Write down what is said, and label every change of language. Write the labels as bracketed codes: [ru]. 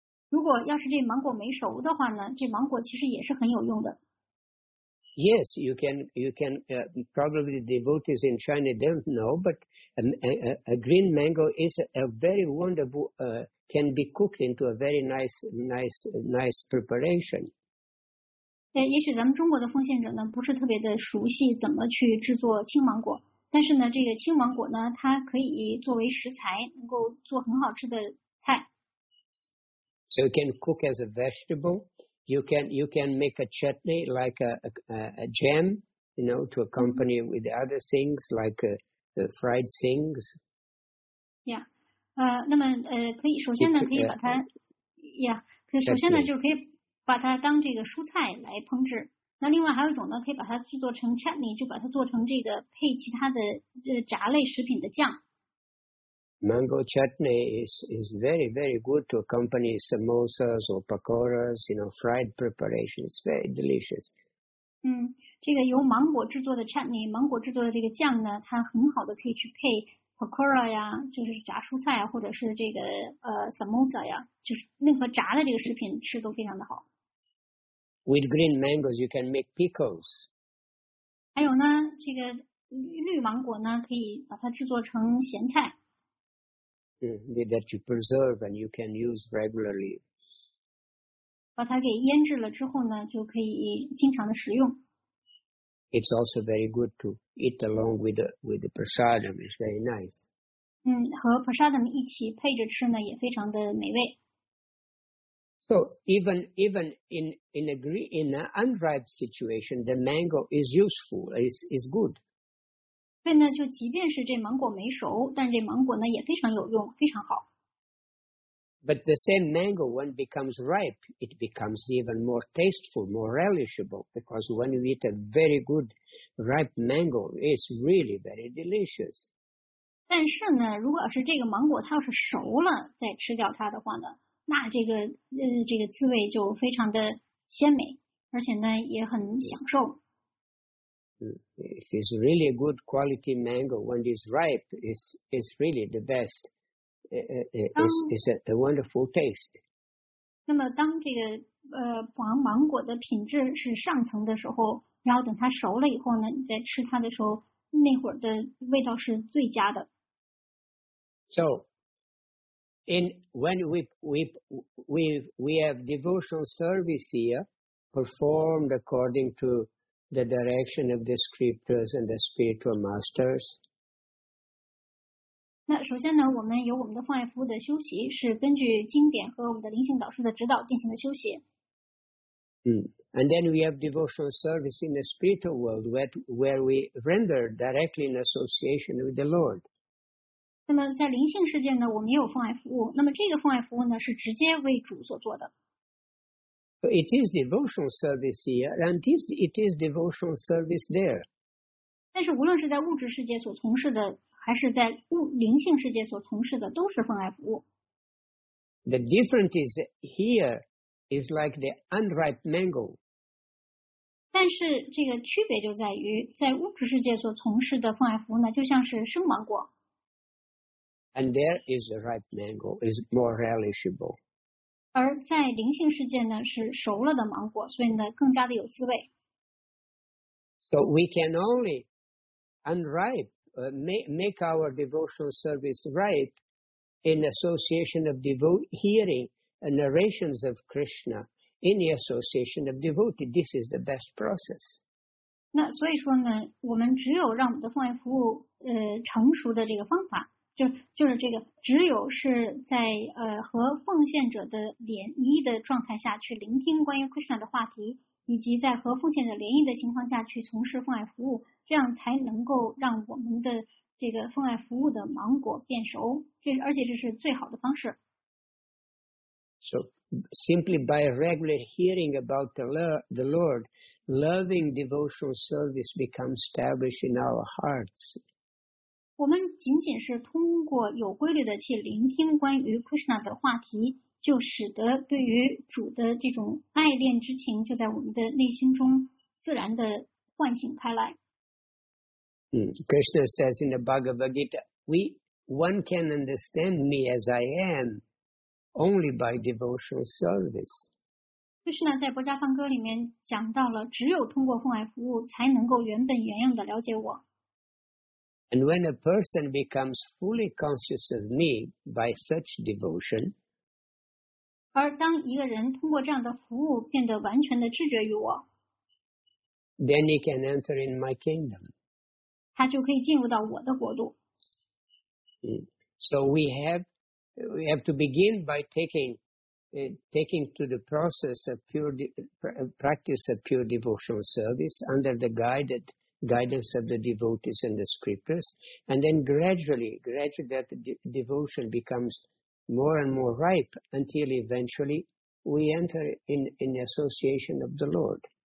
[zh] 如果要是这芒果没熟的话呢，这芒果其实也是很有用的。 [en] Yes, you can, probably the devotees in China don't know, but a green mango is a very wonderful, can be cooked into a very nice preparation. [zh] 对，也许咱们中国的奉献者呢，不是特别的熟悉怎么去制作青芒果，但是呢，这个青芒果呢，它可以作为食材，能够做很好吃的菜。 [en] So you can cook as a vegetable. You can make a chutney like a jam, you know, to accompany with other things like the fried things. Yeah. [zh] 那么可以首先呢可以把它 可以首先呢就可以把它当这个蔬菜来烹制。那另外还有一种呢可以把它制作成 chutney, 就把它做成这个配其他的炸类食品的酱。 [en] Mango chutney is very, very good to accompany samosas or pakoras, you know, fried preparations. Very delicious. [zh] 这个由芒果制作的 chutney, 芒果制作的这个酱呢，它很好的可以去配 pakora 呀，就是炸蔬菜啊，或者是这个samosa 呀，就是任何炸的这个食品吃都非常的好。 [en] With green mangoes, you can make pickles. [zh] 还有呢，这个绿芒果呢，可以把它制作成咸菜。 [en] That you preserve and you can use regularly. [zh] 把它给腌制了之后呢，就可以经常的食用。 [en] It's also very good to eat along with the prasadam. It's very nice. [zh] 和 prasadam 一起配着吃呢，也非常的美味。 [en] So even in an unripe situation, the mango is useful. It's good. [zh] 所以呢，就即便是这芒果没熟，但这芒果呢也非常有用，非常好。 [en] But the same mango, when becomes ripe, it becomes even more tasteful, more relishable. Because when you eat a very good ripe mango, it's really very delicious. [zh] 但是呢，如果要是这个芒果它要是熟了再吃掉它的话呢，那这个滋味就非常的鲜美，而且呢也很享受。 [en] If it's really a good quality mango when it's ripe, it's really the best. It's a wonderful taste. [zh] 那么当这个芒果的品质是上层的时候，然后等它熟了以后呢，你再吃它的时候，那会儿的味道是最佳的。 [en] So, when we have devotional service here performed according to. The direction of the scriptures and the spiritual masters. [zh] 那首先呢，我们有我们的奉爱服务的休息，是根据经典和我们的灵性导师的指导进行的休息。 [en] And then we have devotional service in the spiritual world where we render directly in association with the Lord. [zh] 那么在灵性世界呢，我们也有奉爱服务。那么这个奉爱服务呢，是直接为主所做的。 [en] So it is devotional service here, and it is devotional service there. [zh] 但是无论是在物质世界所从事的，还是在灵性世界所从事的，都是奉爱服务。 [en] The difference is here is like the unripe mango. [zh] 但是这个区别就在于，在物质世界所从事的奉爱服务呢，就像是生芒果。 [en] And there is a ripe mango, is more relishable. [zh] 而在灵性世界呢，是熟了的芒果，所以呢，更加的有滋味。 [en] So we can only unripe, make our devotional service ripe in association of devotee, hearing narrations of Krishna in the association of devotee. This is the best process. [zh] 那所以说呢，我们只有让我们的奉爱服务成熟的这个方法。就是这个，只有是在和奉献者的联谊的状态下去聆听关于 Krishna 的话题，以及在和奉献者联谊的情况下去从事奉爱服务，这样才能够让我们的这个奉爱服务的芒果变熟。而且这是最好的方式。 [en] So simply by regular hearing about the Lord, loving devotional service becomes established in our hearts. [zh] 我们仅仅是通过有规律的去聆听关于 Krishna 的话题，就使得对于主的这种爱恋之情就在我们的内心中自然的唤醒开来。 [en] Krishna says in the Bhagavad Gita, one can understand me as I am only by devotional service. [zh] Krishna 在博迦梵歌里面讲到了，只有通过奉爱服务才能够原本原样的了解我。 [en] And when a person becomes fully conscious of me by such devotion, [zh] 而当一个人通过这样的服务变得完全的知觉于我， [en] then he can enter in my kingdom. [zh] 他就可以进入到我的国度。 [en] So we have to begin by taking to the process of practice of pure devotional service under the guidance of the devotees and the scriptures, and then gradually that devotion becomes more and more ripe until eventually we enter in the association of the Lord.